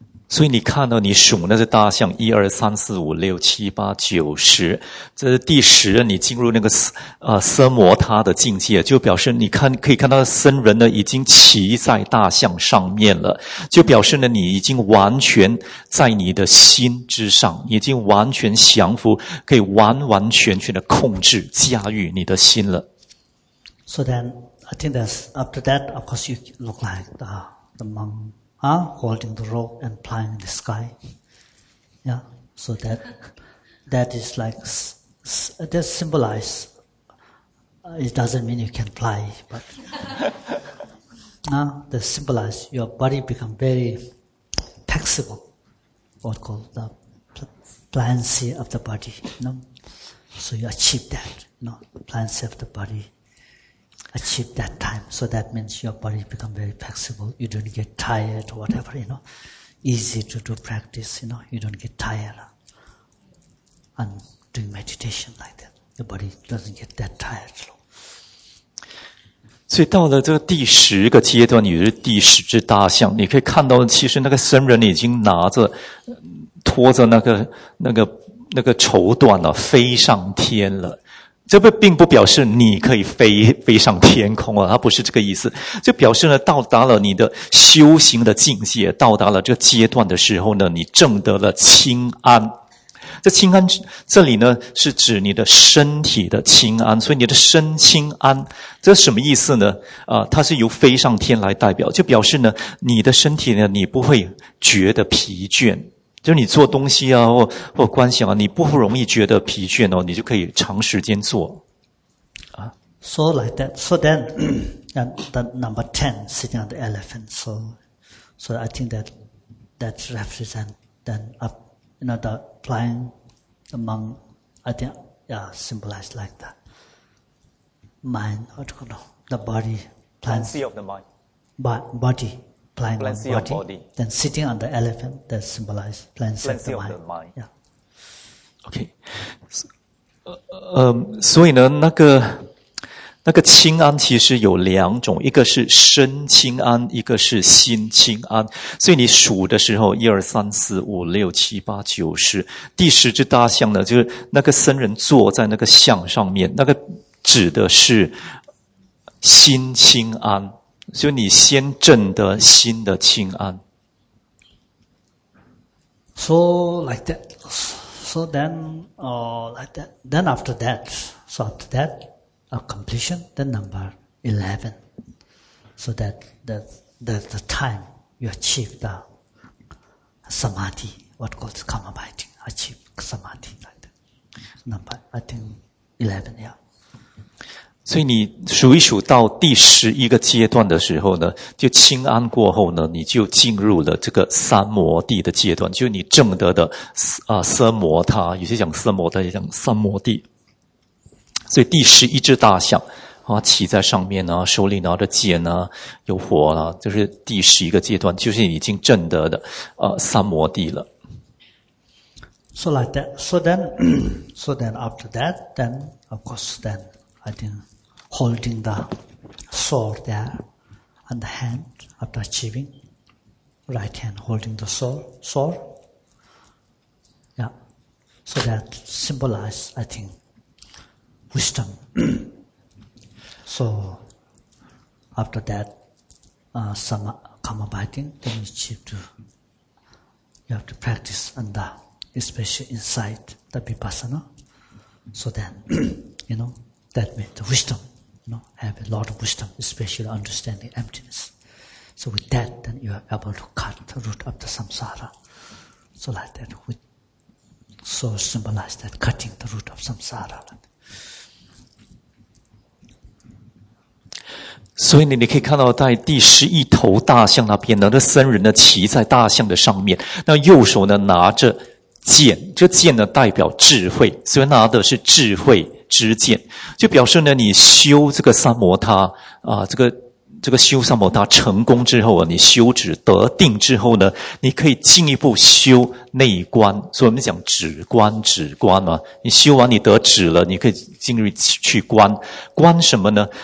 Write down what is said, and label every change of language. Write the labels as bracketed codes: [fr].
[zh] 所以你看到你数那些大象1,2,3,4,5,6,7,8,9,10这是第十，你进入那个奢摩他的境界，就表示你看可以看到僧人呢已经骑在大象上面了，就表示呢你已经完全在你的心之上，你已经完全降服，可以完完全全的控制驾驭你的心了。 [en] So then I think that's after that, of course you look like the monkholding the rope and flying in the sky. Yeah. So that is like, that symbolize, it doesn't mean you can fly, but the symbolize your body become very flexible, what called the pliancy of the body. No, so you achieve that. No, pliancy of the body achieve that time. So that means your body become very flexible. You don't get tired or whatever. You know, easy to do practice. You know, you don't get tired. And doing meditation like that, the body doesn't get that tired. [zh] 所以到了这个第十个阶段，也是第十只大象，你可以看到，其实那个僧人已经拿着拖着那个绸缎了，飞上天了。这并不表示你可以飞上天空啊，它不是这个意思。就表示呢，到达了你的修行的境界，到达了这个阶段的时候呢，你证得了清安。这清安这里呢是指你的身体的清安，所以你的身清安这什么意思呢？它是由飞上天来代表，就表示呢你的身体呢你不会觉得疲倦，就你做东西啊或观想啊你不容易觉得疲倦哦，你就可以长时间做。 [en] So like that, so then, the number 10 sitting on the elephant, so I think that represents then up. You know, the flying among, I think, yeah, symbolized like the mind, what do you call it? The body. Plancy of the mind. Body. Plancy of the body. Then sitting on the elephant, that symbolized plancy of the mind. Yeah. Okay. [zh] So, 所以呢那个清安其实有两种，一个是身清安，一个是心清安。所以你数的时候，一二三四五六七八九十，第十只大象呢，就是那个僧人坐在那个象上面，那个指的是心清安。所以你先证得心的清安。 [en] So like that, so then, like that, then after that, so after that. A completion, the number 11. So that the time you achieve the samadhi, what called karma biting, achieve samadhi, like that. Number, I think 11, yeah. [zh] 所以你数一数到第十一个阶段的时候呢，就清安过后呢，你就进入了这个三摩地的阶段，就你证得的奢摩他，有些讲奢摩他，也讲三摩地。所以第十一只大象啊，骑在上面啊，手里拿着剑啊，有火啊，就是第十一个阶段，就是已经证得的三摩地了。 [en] So like that, so then after that, then of course then I think holding the sword there and the hand after achieving right hand holding the sword, yeah, so that symbolize I think. Wisdom. So, after that, some karma biting, then you achieve to, you have to practice and that, especially inside the vipassana. So then, you know, that means the wisdom, you know, have a lot of wisdom, especially understanding emptiness. So with that, then you are able to cut the root of the samsara. So like that, symbolize that cutting the root of samsara. [zh] 所以你可以看到在第十一头大象那边呢，那僧人呢骑在大象的上面，那右手呢拿着剑，这剑呢代表智慧，所以拿的是智慧之剑，就表示呢你修这个三摩他这个修三摩他成功之后啊，你修止得定之后呢，你可以进一步修内观，所以我们讲止观嘛，你修完你得止了，你可以进入去观什么呢？